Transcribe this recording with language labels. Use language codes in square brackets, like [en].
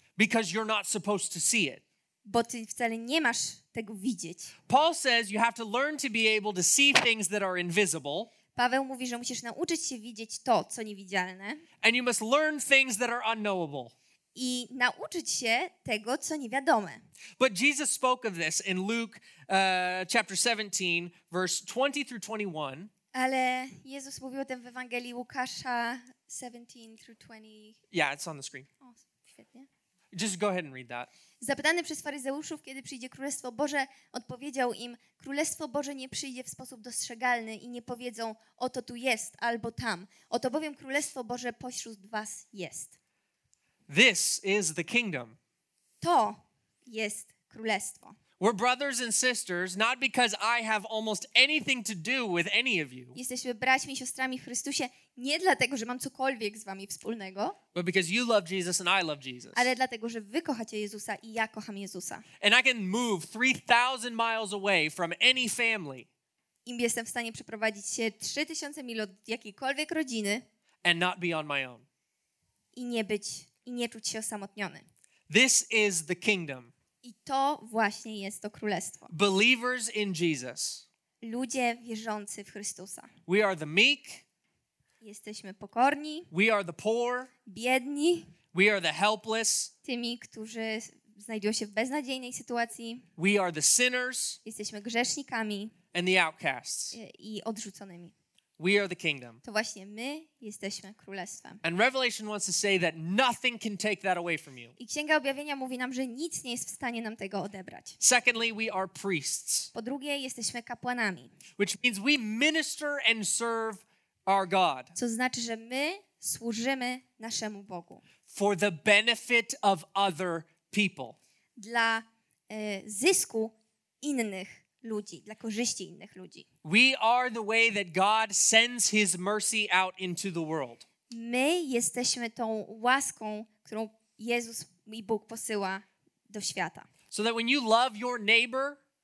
[en] Because you're not supposed to see it. [pl] Bo ty wcale nie masz tego widzieć. [en] Paul says you have to learn to be able to see things that are invisible. [pl] Paweł mówi, że musisz nauczyć się widzieć to, co niewidzialne. [en] And you must learn things that are unknowable. [pl] I nauczyć się tego, co niewiadome. [en] But Jesus spoke of this in Luke chapter 17, verse 20 through 21. [pl] Ale Jezus mówił o tym w Ewangelii Łukasza 17 [en] through [pl] 20. [en] Yeah, it's on the screen. [pl] O, świetnie. [en] Just go ahead and read that. [pl] Zapytany przez faryzeuszów, kiedy przyjdzie Królestwo Boże, odpowiedział im, Królestwo Boże nie przyjdzie w sposób dostrzegalny i nie powiedzą, oto tu jest, albo tam. Oto bowiem Królestwo Boże pośród was jest. [en] This is the kingdom. [pl] To jest Królestwo. [en] We're brothers and sisters, not because I have almost anything to do with any of you. [pl] Jesteśmy braćmi i siostrami w Chrystusie nie dlatego, że mam cokolwiek z wami wspólnego. [en] But because you love Jesus and I love Jesus. [pl] Ale dlatego, że wy kochacie Jezusa i ja kocham Jezusa. [en] And I can move 3,000 miles away from any family. [pl] I jestem w stanie przeprowadzić się 3,000 mil od jakiejkolwiek rodziny. [en] And not be on my own. [pl] I nie czuć się osamotniony. [en] This is the kingdom. [pl] I to właśnie jest to królestwo. [en] Believers in Jesus. [pl] Ludzie wierzący w Chrystusa. [en] We are the meek. [pl] Jesteśmy pokorni. [en] We are the poor. [pl] Biedni. [en] We are the helpless. [pl] Tymi, którzy znajdują się w beznadziejnej sytuacji. [en] We are the sinners. [pl] Jesteśmy grzesznikami. [en] And the outcasts. [pl] I odrzuconymi. [en] We are the kingdom. [pl] To właśnie my jesteśmy królestwem. [en] And Revelation wants to say that nothing can take that away from you. [pl] I Księga Objawienia mówi nam, że nic nie jest w stanie nam tego odebrać. [en] Secondly, we are priests. [pl] Po drugie, jesteśmy kapłanami. [en] Which means we minister and serve our God. [pl] Co znaczy, że my służymy naszemu Bogu. [en] For the benefit of other people. [pl] Dla zysku innych ludzi, dla korzyści innych ludzi. [en] We are the way that God sends his mercy out into the world. [pl] My jesteśmy tą łaską, którą Jezus i Bóg posyła do świata. [en] So that when you love your neighbor,